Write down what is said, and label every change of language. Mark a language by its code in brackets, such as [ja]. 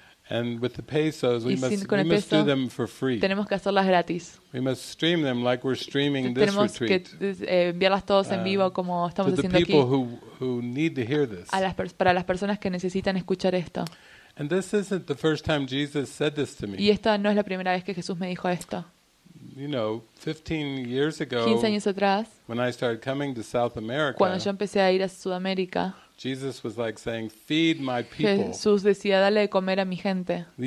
[en] And with the pesos, we must do them for free. [es] Tenemos que hacerlas gratis. [en] We must stream them like we're streaming this [es] tenemos [en] retreat. [es] Tenemos que enviarlas todos en vivo como estamos [en] to [es] haciendo aquí. [en] To the people who need to hear this. [es] Para las personas que necesitan escuchar esto. [en] And this isn't the first time Jesus said this to me. [es] Y esta no es la primera vez que Jesús me dijo esto. [en] You know, 15 years ago, [es] 15 años atrás, [en] when I started coming to South America, [es] cuando yo empecé a ir a Sudamérica, [en] Jesus was like saying, "Feed my people." [es] Jesús decía, dale de comer a mi gente.